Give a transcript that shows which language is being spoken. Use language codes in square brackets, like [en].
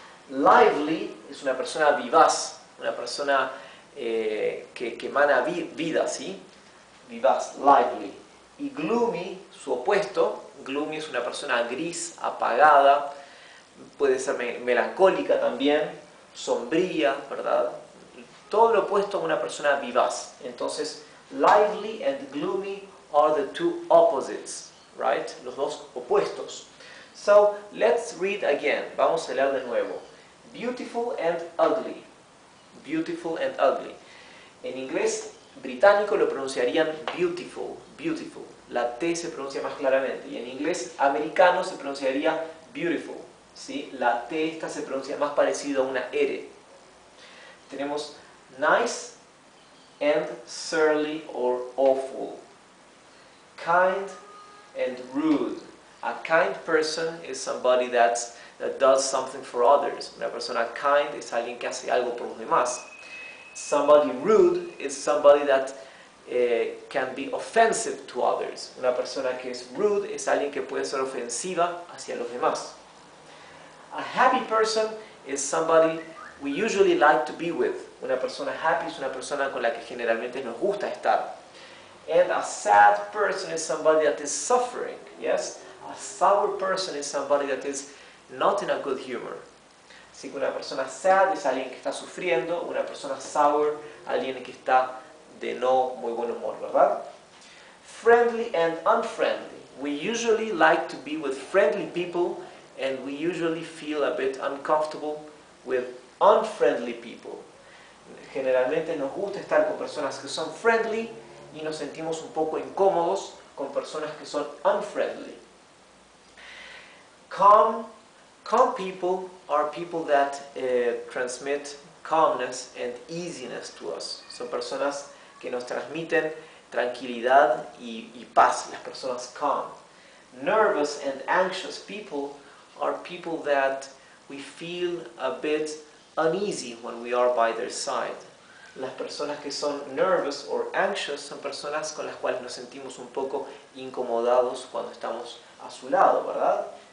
[es] Lively es una persona vivaz, una persona que emana vida, ¿sí? Vivaz, lively. Y gloomy, su opuesto. Gloomy es una persona gris, apagada, puede ser melancólica también, sombría, ¿verdad? Todo lo opuesto a una persona vivaz. Entonces, [en] lively and gloomy are the two opposites, right? [es] Los dos opuestos. [en] So, let's read again. [es] Vamos a leer de nuevo. [en] Beautiful and ugly. Beautiful and ugly. [es] En inglés británico lo pronunciarían beautiful, beautiful. La T se pronuncia más claramente. Y en inglés americano se pronunciaría beautiful. ¿Sí? La T esta se pronuncia más parecido a una R. Tenemos [en] nice and surly or awful. Kind and rude. A kind person is somebody that does something for others. [es] Una persona kind es alguien que hace algo por los demás. [en] Somebody rude is somebody that can be offensive to others. [es] Una persona que es rude es alguien que puede ser ofensiva hacia los demás. [en] A happy person is somebody we usually like to be with. [es] Una persona happy es una persona con la que generalmente nos gusta estar. [en] And a sad person is somebody that is suffering. Yes? A sour person is somebody that is not in a good humor. [es] Así que una persona sad es alguien que está sufriendo. Una persona sour, alguien que está de no muy buen humor, ¿verdad? [en] Friendly and unfriendly. We usually like to be with friendly people and we usually feel a bit uncomfortable with unfriendly people. [es] Generalmente nos gusta estar con personas que son friendly y nos sentimos un poco incómodos con personas que son unfriendly. [en] Calm people are people that transmit calmness and easiness to us. [es] Son personas que nos transmiten tranquilidad y paz, las personas calm. [en] Nervous and anxious people are people that we feel a bit uneasy when we are by their side. [es] Las personas que son [en] nervous or anxious [es] son personas con las cuales nos sentimos un poco incomodados cuando estamos a su lado, ¿verdad?